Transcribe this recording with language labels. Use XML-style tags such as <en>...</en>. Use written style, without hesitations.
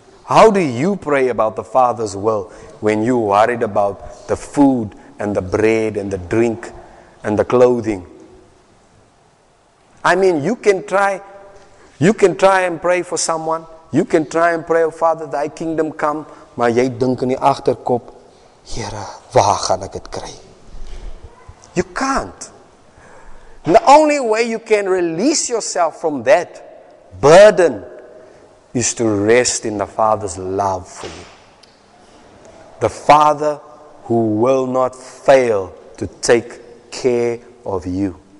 <en>How do you pray about the Father's will when you're worried about the food and the bread and the drink and the clothing? I mean, you can try and pray for someone. You can try and pray, oh Father, thy kingdom come.</en> <af>Maar jy dink in die agterkop, Here, waar gaan ek dit kry?</af> <en>You can't. The only way you can release yourself from that burden is to rest in the Father's love for you. The Father who will not fail to take care of you.</en>